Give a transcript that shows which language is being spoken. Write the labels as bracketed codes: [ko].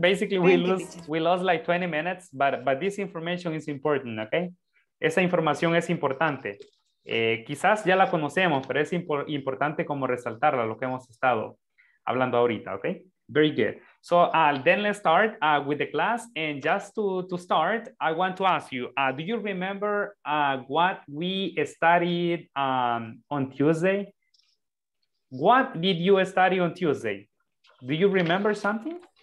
[en] Basically, we lost like 20 minutes, but this information is important, okay? [es] Esa información es importante. Quizás ya la conocemos, pero es importante como resaltarla, lo que hemos estado hablando ahorita, ¿ok? [en] Very good. So, then let's start with the class. And just to start, I want to ask you, do you remember what we studied on Tuesday? What did you study on Tuesday? Do you remember something?